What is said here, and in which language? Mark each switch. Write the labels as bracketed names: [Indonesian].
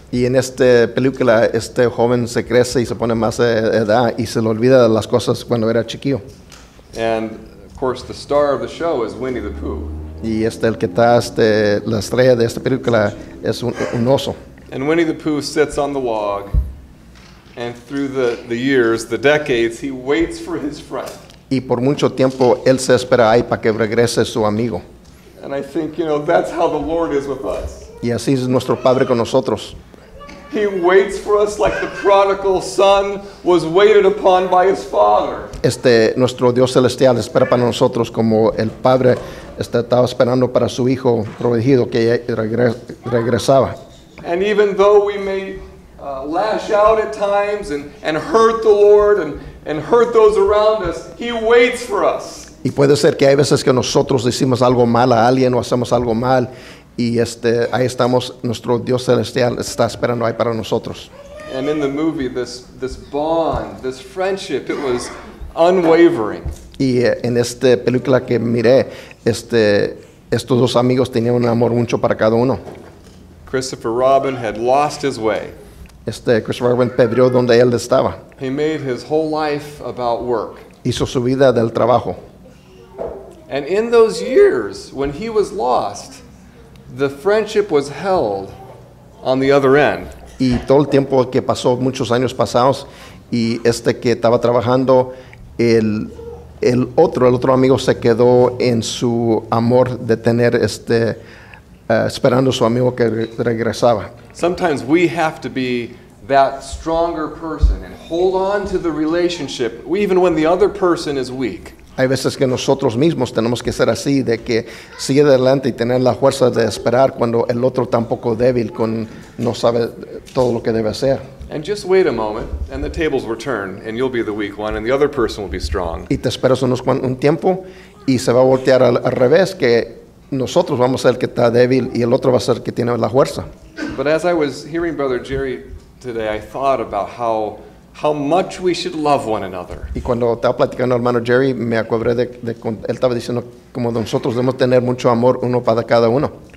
[Spanish] Y en esta película, este joven se crece y se pone más edad y se le olvida de las cosas cuando era chiquillo. [English] And, of course, the star of the show is Winnie the Pooh. [Spanish] Y el que está la estrella de esta película es un oso. [English] And Winnie the Pooh sits on the log, and through the years, the decades, he waits for his friend. [Spanish] Y por mucho tiempo él se espera ahí para que regrese su amigo. [English] And I think, you know, that's how the Lord is with us. [Spanish] Y así es nuestro Padre con nosotros. [English] He waits for us like the prodigal son was waited upon by his father. [Spanish] Nuestro Dios celestial espera para nosotros como el padre estaba esperando para su hijo prometido que regresaba. [English] And even though we may lash out at times and hurt the Lord and hurt those around us, he waits for us. [Spanish] Y puede ser que hay veces que nosotros decimos algo mal a alguien o hacemos algo mal. Y ahí estamos, nuestro Dios celestial está esperando ahí para nosotros. [English] And in the movie, this bond, this friendship, it was unwavering. [Spanish] Y en esta película que miré, estos dos amigos tenían un amor mucho para cada uno. [English] Christopher Robin had lost his way. [Spanish] Christopher Robin perdió donde él estaba. [English] He made his whole life about work. [Spanish] Hizo su vida del trabajo. [English] And in those years, when he was lost, the friendship was held on the other end. [Spanish] Y todo el tiempo que pasó, muchos años pasados, y que estaba trabajando, el otro amigo se quedó en su amor de tener este esperando su amigo que regresaba. [English] Sometimes we have to be that stronger person and hold on to the relationship even when the other person is weak. [Spanish] Hay veces que nosotros mismos tenemos que ser así, de que sigue adelante y tener la fuerza de esperar cuando el otro tampoco débil con no sabe todo lo que debe hacer. [English] And just wait a moment and the tables will turn and you'll be the weak one and the other person will be strong. [Spanish] Y te esperas un tiempo y se va a voltear al revés, que nosotros vamos a ser el que está débil y el otro va a ser el que tiene la fuerza. [English] But as I was hearing Brother Jerry today, I thought about how much we should love one another. [Spanish] Y cuando estaba platicando el hermano Jerry, me acordé de él estaba diciendo como nosotros debemos tener mucho amor uno para cada uno.